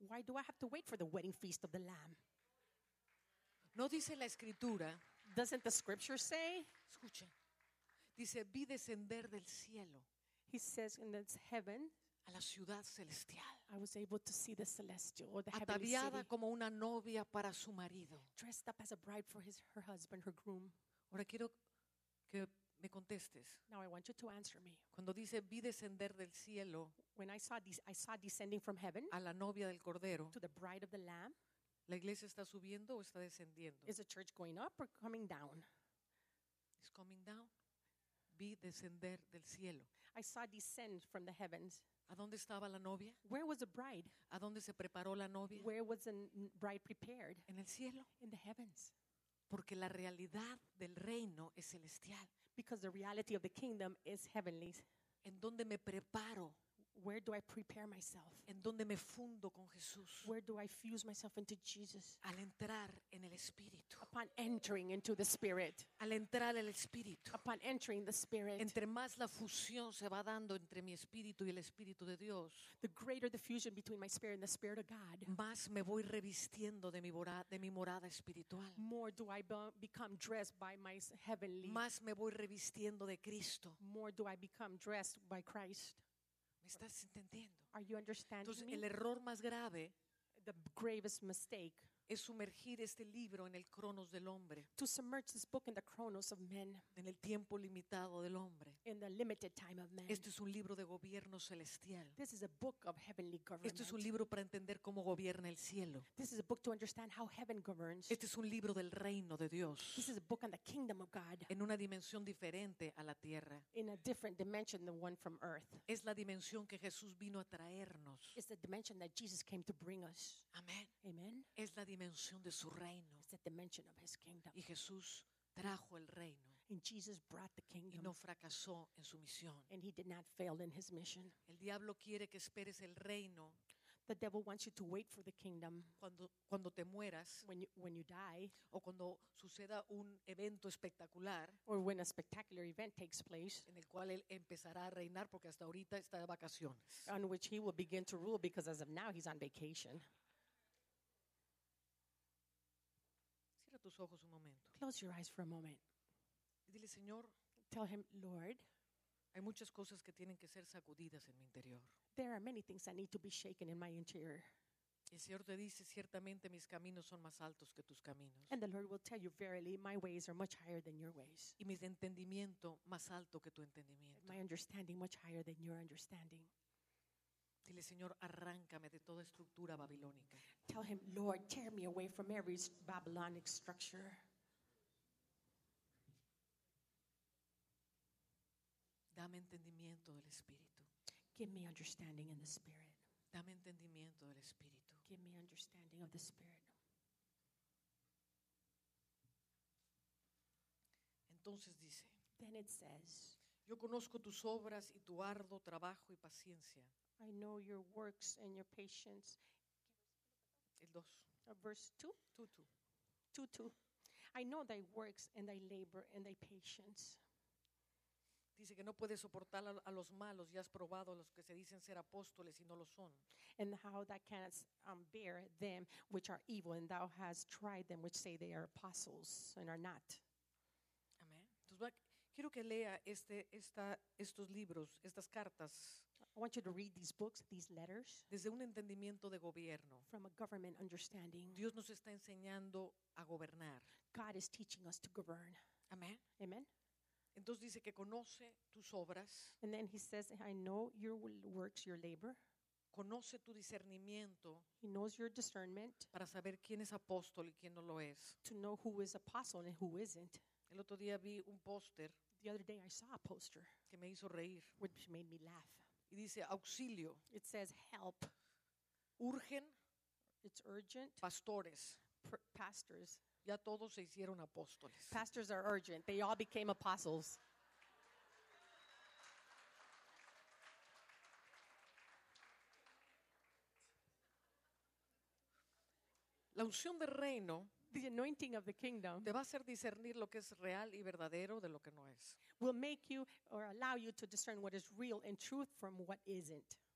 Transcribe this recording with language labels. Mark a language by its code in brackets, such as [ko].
[en] Why do I have to wait for the wedding feast of the Lamb? [es] No dice la escritura. [en] Doesn't the scripture say? [es] Escuche. Dice, vi descender del cielo. [en] He says in the heaven. [es] A la ciudad celestial. [en] I was able to see the celestial, or the heavenly city. [es] Ataviada como una novia para su marido. [en] Dressed up as a bride for her husband, her groom. [es] Ahora quiero que me contestes. [en] Now I want you to answer me. [es] Cuando dice, vi descender del cielo. [en] When I saw descending from heaven. [es] A la novia del Cordero. [en] To the bride of the Lamb. [es] ¿La iglesia está subiendo o está descendiendo? [en] Is the church going up or coming down? It's coming down. [es] Vi descender del cielo. [en] I saw descend from the heavens. [es] ¿A dónde estaba la novia? [en] Where was the bride? [es] ¿A dónde se preparó la novia? [en] Where was the bride prepared? [es] En el cielo. [en] In the heavens. [es] Porque la realidad del reino es celestial. [en] Because the reality of the kingdom is heavenly. [es] ¿En dónde me preparo? [en] Where do I prepare myself? [es] ¿En dónde me fundo con Jesús? [en] Where do I fuse myself into Jesus? [es] Al entrar en el Espíritu. [en] Upon entering into the Spirit. [es] Al entrar el Espíritu. [en] Upon entering the Spirit. [es] Entre más la fusión se va dando entre mi Espíritu y el Espíritu de Dios. [en] The greater the fusion between my Spirit and the Spirit of God. [es] Más me voy revistiendo de mi morada espiritual. [en] More do I become dressed by my heavenly. [es] Más me voy revistiendo de Cristo. [en] More do I become dressed by Christ. [es] ¿Me estás entendiendo? [en] Are you understanding [es] Entonces, [en] me? [es] El error más grave, [en] the gravest mistake, [es] es sumergir este libro en el cronos del hombre. [en] To submerge this book in the chronos of men. [es] En el tiempo limitado del hombre. [en] In the limited time of men. [es] Esto es un libro de gobierno celestial. [en] This is a book of heavenly government. [es] Esto es un libro para entender cómo gobierna el cielo. [en] This is a book to understand how heaven governs. [es] Este es un libro del reino de Dios. [en] This is a book on the kingdom of God. [es] En una dimensión diferente a la tierra. [en] In a different dimension than one from earth. [es] Es la dimensión que Jesús vino a traernos. [en] It's the dimension that Jesus came to bring us. [es] Amén. [en] Amen. [es] Es la dimensión de su reino. [en] It's the dimension of his kingdom. [es] Y Jesús trajo el reino. [en] And Jesus brought the kingdom. [es] Y no fracasó en su misión. [en] And he did not fail in his mission. [es] El diablo quiere que esperes el reino. [en] The devil wants you to wait for the kingdom. [es] Cuando te mueras. [en] When you die. [es] O cuando suceda un evento espectacular. [en] Or when a spectacular event takes place. [es] En el cual él empezará a reinar porque hasta ahorita está de vacaciones. [en] On which he will begin to rule because as of now he's on vacation. [es] Cierra tus ojos un momento. [en] Close your eyes for a moment. [es] Dile, Señor, [en] tell him, Lord, [es] hay muchas cosas que tienen que ser sacudidas en mi interior. [en] There are many things that need to be shaken in my interior. [es] El Señor te dice, ciertamente mis caminos son más altos que tus caminos. [en] And the Lord will tell you, verily, my ways are much higher than your ways. [es] Y mi entendimiento más alto que tu entendimiento. [en] My understanding much higher than your understanding. [es] Dile, Señor, arráncame de toda estructura babilónica. [en] Tell him, Lord, tear me away from every Babylonic structure. [es] Dame entendimiento del Espíritu. [en] Give me understanding in the Spirit. [es] Dame entendimiento del Espíritu. [en] Give me understanding of the Spirit. [es] Entonces dice, [en] then it says, [es] yo conozco tus obras y tu arduo trabajo y paciencia. [en] I know your works and your patience. [es] El dos. [en] Verse 2? 2:2. I know thy works and thy labor and thy patience. [es] Dice que no puedes soportar a los malos y has probado a los que se dicen ser apóstoles y no lo son. [en] And how thou canst bear them which are evil and thou hast tried them which say they are apostles and are not. [es] Amén. Quiero que lea estos libros, estas cartas. [en] I want you to read these books, these letters. [es] Desde un entendimiento de gobierno. [en] From a government understanding. [es] Dios nos está enseñando a gobernar. [en] God is teaching us to govern. [es] Amén. [en] Amen. [es] Entonces dice que conoce tus obras. [en] And then he says, I know your works, your labor. [es] Conoce tu discernimiento. [en] He knows your discernment. [es] Para saber quién es apóstol y quién no lo es. [en] To know who is apostle and who isn't. [es] El otro día vi un póster. [en] The other day I saw a poster. [es] Que me hizo reír. [en] Which made me laugh. [es] Y dice auxilio. [en] It says help. [es] Urgen. [en] It's urgent. [es] Pastores. [en] Pastors. [es] Ya todos se hicieron apóstoles. [en] Pastors are urgent. They all became apostles. [es] La unción del reino, [en] the anointing of the kingdom, [es] te va a hacer discernir lo que es real y verdadero de lo que no es. [en] Will make you or allow you to discern what is real and truth from what isn't.